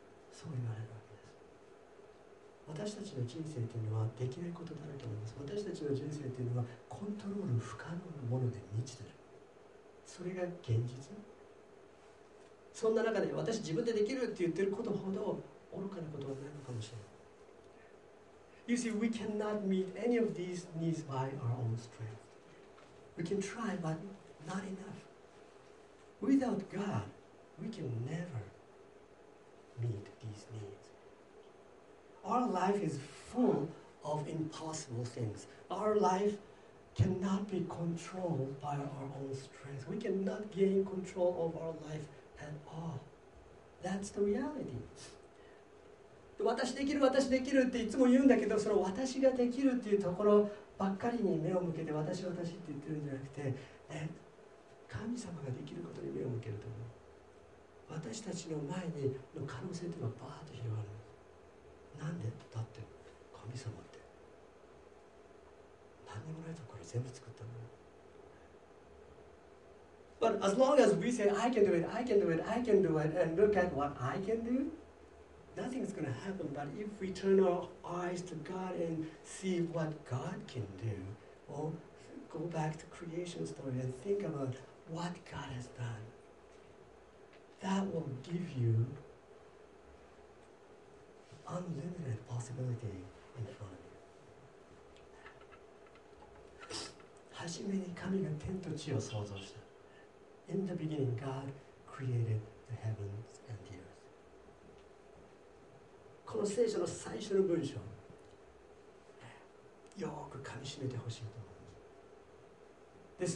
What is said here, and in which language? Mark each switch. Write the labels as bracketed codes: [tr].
[ja] そう言われるわけです。私たちの人生というのはできないことだらけなんです。私たちの人生というのはコントロール不可能なもので満ちている。それが現実。そんな中で私自分でできるって言ってることほど愚かなことはないのかもしれない。 [en] You see, we cannot meet any of these needs by our own strength. We can try, but not enough. Without God, we can neverMeet these needs. Our life is full of impossible things. Our life cannot be controlled by our own strength. We cannot gain control of our life at all. That's the reality. [ja] 私できる、私できるっていつも言うんだけど、その私ができるっていうところばっかりに目を向けて、私、私って言ってるんじゃなくて、ね、神様ができることに目を向けると思う。私たちの前にの可能性というのはバーッと広がる。なんでだって神様って何でもないとこれ全部作ったの。 [en] But as long as we say I can do it, I can do it, I can do it and look at what I can do, nothing's going to happen. But if we turn our eyes to God and see what God can do, or go back to creation story and think about what God has doneThat will give you unlimited possibility in front of you. [ja] はじめに神が天と地を創造した。 [en] In the beginning, God created the heavens and the earth. [ja] この聖書の最初の文章、よく噛み締めてほしいと思います。